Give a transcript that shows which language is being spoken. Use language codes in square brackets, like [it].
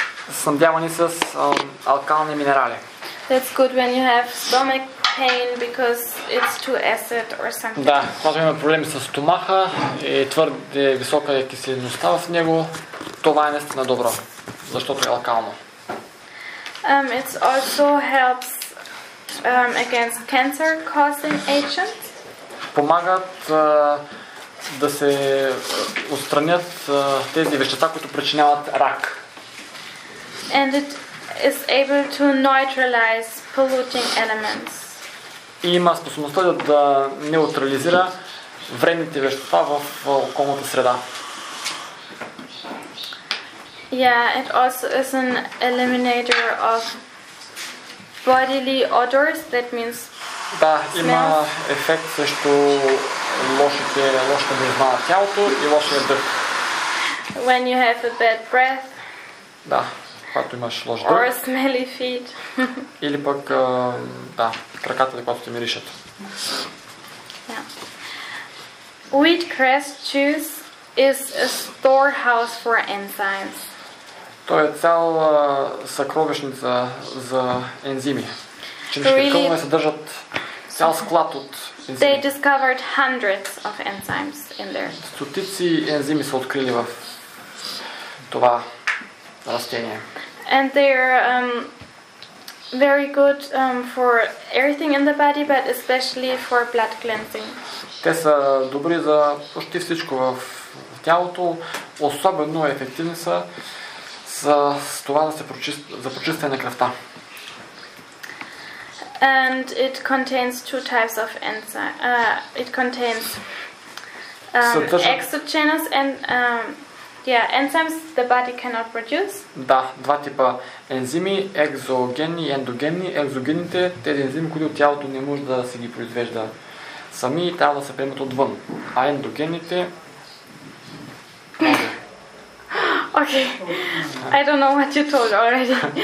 [bg] Снабдявани с алкални минерали. [en] That's good when you have stomach pain because it's too acid or something. [bg] Да, когато имаме проблеми с стомаха и твърде висока киселинността в него, това е наистина добро, защото е алкално. [en] It also helps against cancer-causing agents. [bg] Помагат да се отстранят тези вещества, които причиняват рак. [en] And it is able to neutralize polluting elements. [bg] И има способността да неутрализира вредните вещества в околната среда. [en] Yeah, it also is an eliminator of bodily odors, that means smells. [bg] Да, има ефект срещу лошите миризми на тялото и лошия дъх. [en] When you have a bad breath. [bg] Да, когато имаш лош дъх. [en] Or smelly feet. [bg] Или пък, да, краката, когато те миришат. [en] Yeah. Wheatgrass juice is a storehouse for enzymes. [bg] Той е цял съкровищница за ензими. Чинешкетълно съдържат цял склад от ензими. [en] They discovered hundreds of enzymes in there. [bg] Стотици ензими са открили в това растение. [en] And they are very good for everything in the body, but especially for blood cleansing. [bg] Те са добри за почти всичко в тялото, особено ефективни са за това да се за прочистване на кръвта. [en] And it contains two types of enzyme. It contains exogenous and enzymes the body cannot produce. [bg] Да, два типа ензими, екзогенни и ендогенни. Екзогенните, тези ензими, които тялото не може да се ги произвежда сами, трябва да се приемат отвън. А ендогенните [en] Okay, I don't know what you told already.